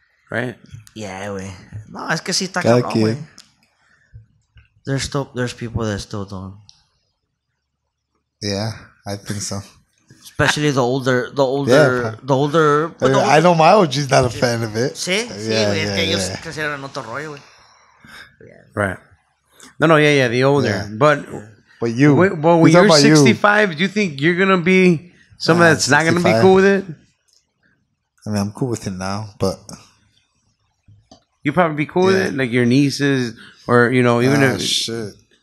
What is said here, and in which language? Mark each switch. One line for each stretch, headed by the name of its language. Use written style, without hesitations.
English: Right?
Spanish: Yeah, güey. No, es que sí está cabrón, güey.
English: There's people that still don't. Yeah, I think so. Especially the older. Yeah, the older. I know my OG's not a fan of it.
Spanish: Sí, sí, güey. Yeah, es que ellos crecieron en otro rollo, güey.
English: Yeah. Right. No, the older. Yeah. But you. Well, when you're 65, do you think you're going to be someone that's 65. Not going to be cool with it? I mean, I'm cool with it now, but you probably be cool with it, like your nieces, or you know, even if shit.